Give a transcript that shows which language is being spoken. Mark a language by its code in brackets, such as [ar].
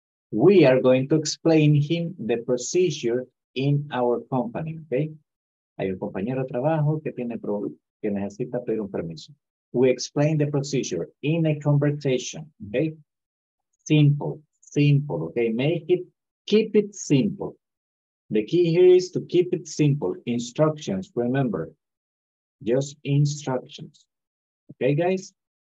[en] We are going to explain him the procedure in our company, okay? [es] Hay un compañero de trabajo que tiene que necesita pedir un permiso. [en] We explain the procedure in a conversation, okay? Simple, simple, okay? Make it, keep it simple. The key here is to keep it simple. Instructions, remember, just instructions. Okay, guys?